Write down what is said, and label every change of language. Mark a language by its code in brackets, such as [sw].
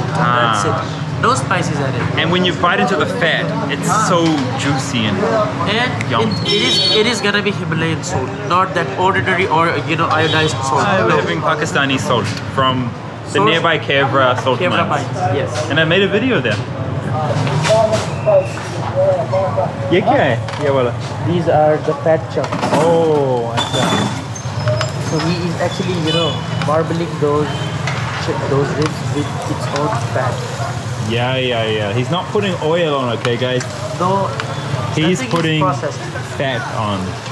[en] That's it. No spices added. And when you bite into the fat, it's so juicy and yum. It is gonna be Himalayan salt, not that ordinary or, you know, iodized salt. I'm having Pakistani salt from the nearby Kevra salt mines. Kevra mines, yes. And I made a video there. [ur] یہ کیا ہے؟ یہ والا. [en] These are the fat chunks. [ur] Oh, acha. [en] So he is actually, you know, marbling those ribs with its own fat. Yeah. He's not putting oil on, okay, guys? No. He's putting fat on.